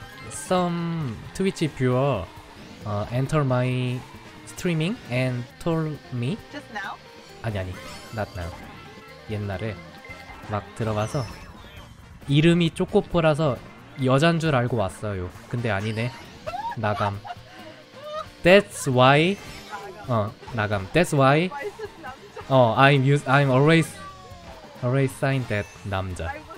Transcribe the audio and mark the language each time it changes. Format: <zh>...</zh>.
<en>Some Twitch viewer enter my streaming and told me. Just now?</en> <ko>아니,</ko> <en>not now.</en> <ko>옛날에 막 들어가서 이름이 쪼꼬뽀라서 여잔 줄 알고 왔어요. 근데 아니네. 나감.</ko> <en>That's why,</en> <ko>나감.</ko> <en>That's why, I'm always signed that 남자.</en>